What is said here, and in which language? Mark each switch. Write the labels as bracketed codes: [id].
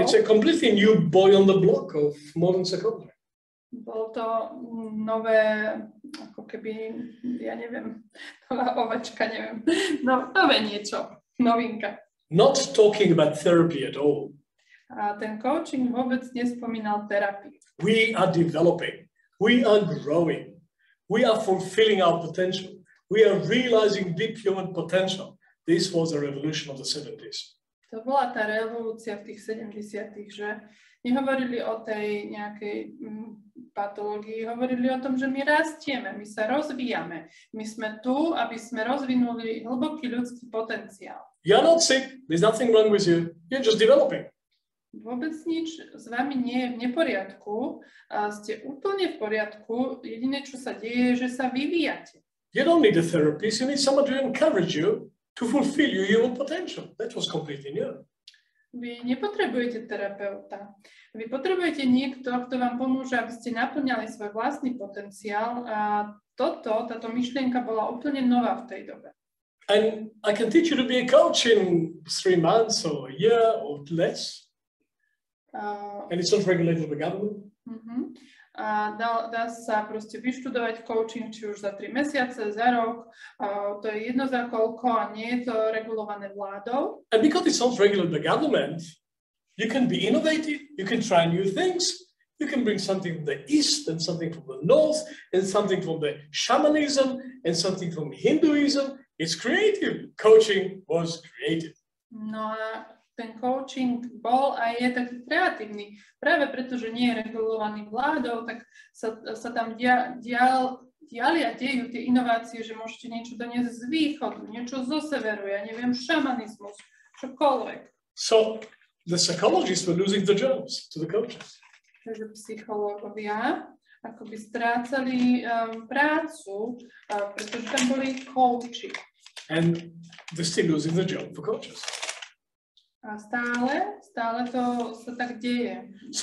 [en] It's a completely new boy on the block of modern psychology. [sk] Bolo to nové, ako keby, ja neviem, nová ovečka, neviem. No, nové niečo, novinka. [en] Not talking about therapy at all. [sk] A ten coaching vôbec nespomínal terapii. [en] We are developing. We are growing. We are fulfilling our potential. We are realizing deep human potential. This was a revolution of the 70s. [sk] To bola tá revolúcia v tých 70-tych, že nehovorili o tej nejakej patológii, hovorili o tom, že my rastieme, my sa rozvíjame. My sme tu, aby sme rozvinuli hlboký ľudský potenciál. [en] You're not sick. There's nothing wrong with you. You're just developing. [sk] Vôbec nič s vami nie je v neporiadku, ste úplne v poriadku, jediné, čo sa deje, je, že sa vyvíjate. [en] You don't need a therapist, you need someone to encourage you to fulfill your human potential. That was completely new. [sk] Vy nepotrebujete terapeuta. Vy potrebujete niekto, kto vám pomôže, aby ste naplňali svoj vlastný potenciál. A táto myšlienka bola úplne nová v tej dobe. [en] And I can teach you to be a coach in 3 months or a year or less. And it's not regulated by government. [sk] Dá sa proste vyštudovať coaching, či už za 3 mesiace, za rok. To je jedno za koľko a nie je to regulované vládou. [en] And because it's not regulated by government, you can be innovative, you can try new things, you can bring something from the east and something from the north and something from the shamanism and something from Hinduism. It's creative. Coaching was creative. [sk] No a ten coaching bol a je taký kreatívny. Práve preto, že nie je regulovaný vládou, tak sa tam diali a dejú tie inovácie, že môžete niečo doniesť z východu, niečo zo severu, ja neviem, šamanizmus, čokoľvek. [en] So the psychologists were losing the jobs to the coaches. [sk] Takže psychológovia akoby strácali prácu, pretože tam boli coachi. [en] And they're still losing the job for coaches. [sk] A stále to sa tak deje.